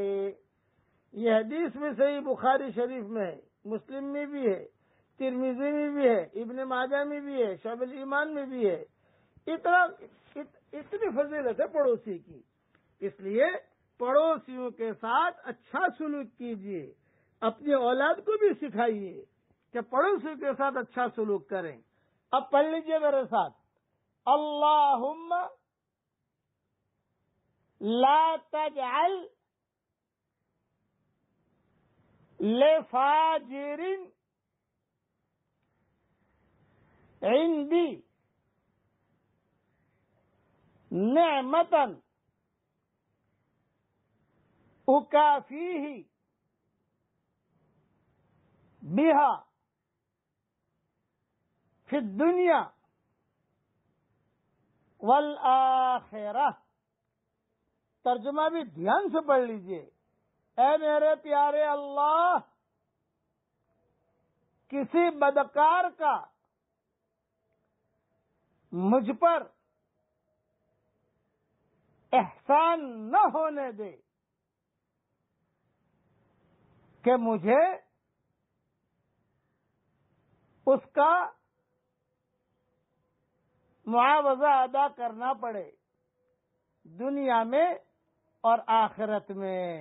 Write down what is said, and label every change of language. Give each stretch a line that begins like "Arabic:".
Urdu: یہ حدیث بھی صحیح بخاری شریف میں ہے، مسلم میں بھی ہے، ترمذی میں بھی ہے، ابن ماجہ میں بھی ہے، شعب الایمان میں بھی ہے. اتنی فضیلت ہے پڑوسی کی. اس لیے پڑوسیوں کے ساتھ اچھا سلوک کیجئے، اپنی اولاد کو بھی سکھائیے کہ پڑوسیوں کے ساتھ اچھا سلوک کریں. اب پڑھ لیجئے میرے ساتھ، اللہم لا تجعل
Arabic: لفاجر عندي نعمة أكافيه بها في الدنيا والآخرة.
Urdu: ترجمہ بھی دھیان سے پڑھ لیجئے. اے میرے پیارے اللہ، کسی بدکار کا مجھ پر احسان نہ ہونے دے کہ مجھے اس کا معاوضہ ادا کرنا پڑے دنیا میں اور آخرت میں.